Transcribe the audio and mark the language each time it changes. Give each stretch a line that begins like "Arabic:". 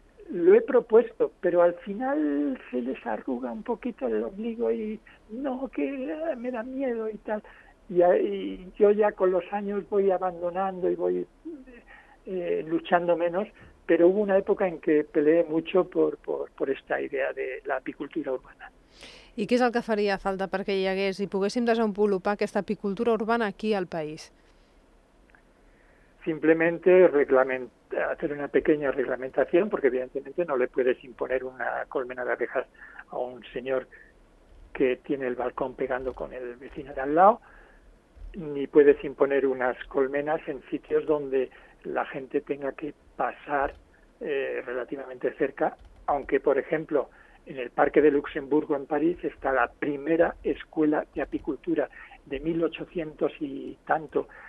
Spanish: Lo he propuesto, pero al final se les arruga un poquito el ombligo y no, que me da miedo y tal. Y yo ya con los años voy abandonando y voy luchando menos, pero hubo una época en que peleé mucho por esta idea de la apicultura urbana.
Catalan: ¿I què és el que faria falta perquè hi hagués i poguéssim desenvolupar aquesta apicultura urbana aquí al país?
Spanish: Simplemente hacer una pequeña reglamentación, porque evidentemente no le puedes imponer una colmena de abejas a un señor que tiene el balcón pegando con el vecino de al lado, ni puedes imponer unas colmenas en sitios donde la gente tenga que pasar relativamente cerca, aunque, por ejemplo, en el Parque de Luxemburgo en París está la primera escuela de apicultura de 1800 y tanto,